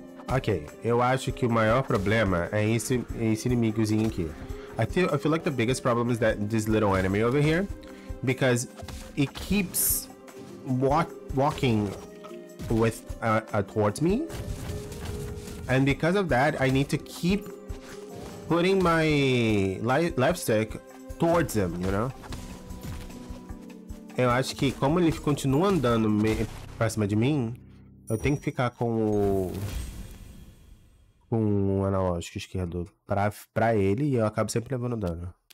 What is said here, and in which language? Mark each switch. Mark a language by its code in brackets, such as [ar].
[pt] Ok, eu acho que o maior problema é esse inimigozinho aqui. [en] I feel like the biggest problem is that this little enemy over here, because it keeps walking with towards me, and because of that, I need to keep putting my left stick towards him, you know? [pt] Eu acho que como ele continua andando pra cima de mim, eu tenho que ficar com o... com um analógico esquerdo pra ele, e eu acabo sempre levando dano.